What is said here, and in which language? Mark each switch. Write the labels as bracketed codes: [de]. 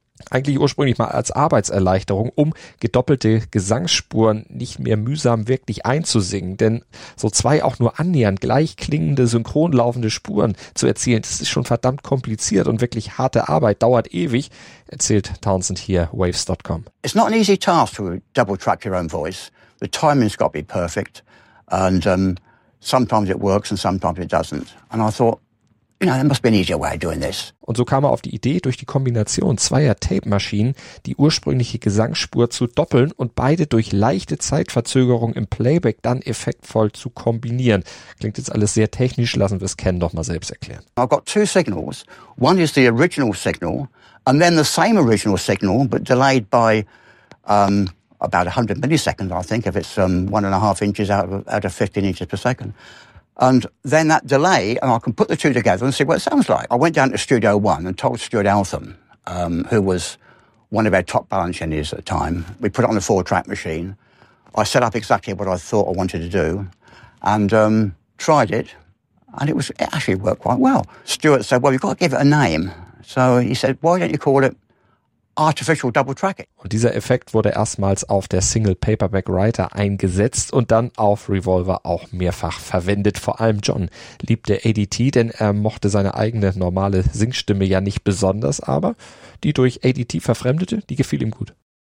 [de] Eigentlich ursprünglich mal als Arbeitserleichterung, um gedoppelte Gesangsspuren nicht mehr mühsam wirklich einzusingen. Denn so zwei auch nur annähernd gleich klingende, synchron laufende Spuren zu erzielen, das ist schon verdammt kompliziert und wirklich harte Arbeit, dauert ewig, erzählt Townsend hier Waves.com. [en] It's not an easy task to double track your own voice. The timing's got to be perfect. And sometimes it works and sometimes it doesn't. And I thought, no, there must be an easier way of doing this. [de] Und so kam er auf die Idee, durch die Kombination zweier Tape-Maschinen die ursprüngliche Gesangsspur zu doppeln und beide durch leichte Zeitverzögerung im Playback dann effektvoll zu kombinieren. Klingt jetzt alles sehr technisch, lassen wir es Ken doch mal selbst erklären. [en] I've got two signals. One is the original signal and then the same original signal, but delayed by about 100 milliseconds, I think, if it's 1.5 inches out of 15 inches per second. And then that delay, and I can put the two together and see what it sounds like. I went down to Studio One and told Stuart Eltham, who was one of our top balance engineers at the time, we put it on a four-track machine. I set up exactly what I thought I wanted to do and tried it, and it actually worked quite well. Stuart said, well, you've got to give it a name. So he said, why don't you call it Artificial Double Tracking. [de] Und dieser Effekt wurde erstmals auf der Single Paperback Writer eingesetzt und dann auf Revolver auch mehrfach verwendet. Vor allem John liebte ADT, denn er mochte seine eigene normale Singstimme ja nicht besonders, aber die durch ADT verfremdete, die gefiel ihm gut.